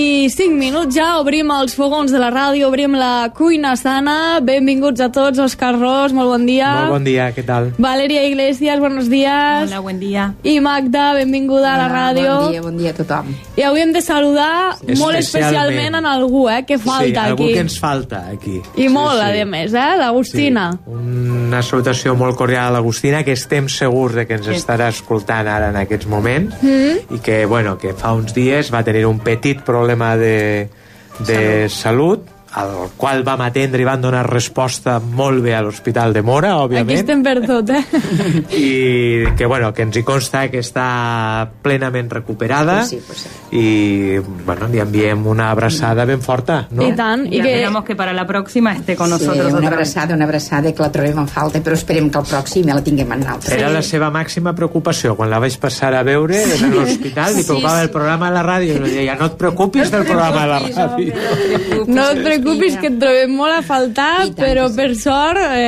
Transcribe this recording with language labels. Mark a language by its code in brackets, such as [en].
[ca] 5 minuts ja obrim els fogons de la ràdio, obrim la cuina sana. Benvinguts a tots, Òscar Ros, molt bon dia. Molt bon dia, què tal? [es] Valeria Iglesias, buenos días. Hola, buen día. [ca] I Magda, benvinguda. Hola, a la ràdio. Bon dia a tothom. I avui hem de saludar molt especialment en algú, que falta aquí. Sí, algú que ens falta aquí. I molt, a més, l'Agustina. Una salutació molt cordial a l'Agustina, que estem segurs de que ens estarà escoltant ara en aquests moments, i que, bueno, que fa uns dies va tenir un petit problema de salut, al qual vam atendre i vam donar resposta molt bé a l'Hospital de Móra, òbviament. Aquí estem per tot, I que, bueno, que ens hi consta que està plenament recuperada. [es] Pues sí, pues sí. [ca] I, bueno, li enviem una abraçada ben forta, no? I tant. I que... [es] esperamos que para la próxima esté con nosotros otra vez. [ca] Sí, una abraçada que la trobem en falta, però esperem que el pròxim ja la tinguem en altres. Era la seva màxima preocupació. Quan la vaig passar a veure des de l'hospital, li preocupava el programa a la ràdio. I deia, no et preocupis del programa a la ràdio. No et preocupis, que et trobem molt a faltar, tant, però per sort...